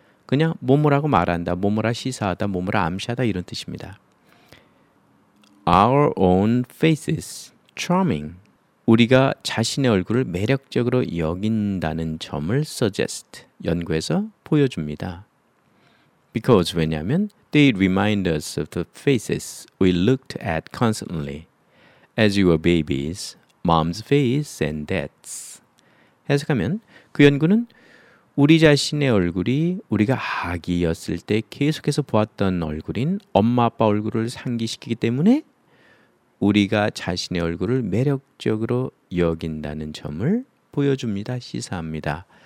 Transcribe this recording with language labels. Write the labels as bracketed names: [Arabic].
[Korean] 그냥 뭐뭐라고 말한다, 뭐뭐라 시사하다, 뭐뭐라 암시하다 이런 뜻입니다. [English] Our own faces, charming. [Korean] 우리가 자신의 얼굴을 매력적으로 여긴다는 점을 suggest, 연구해서 보여줍니다. [English] Because, 왜냐하면, they remind us of the faces we looked at constantly. As you were babies, mom's face and dad's. [Korean] 해석하면, 그 연구는 우리 자신의 얼굴이 우리가 아기였을 때 계속해서 보았던 얼굴인 엄마 아빠 얼굴을 상기시키기 때문에 우리가 자신의 얼굴을 매력적으로 여긴다는 점을 보여줍니다. 시사합니다.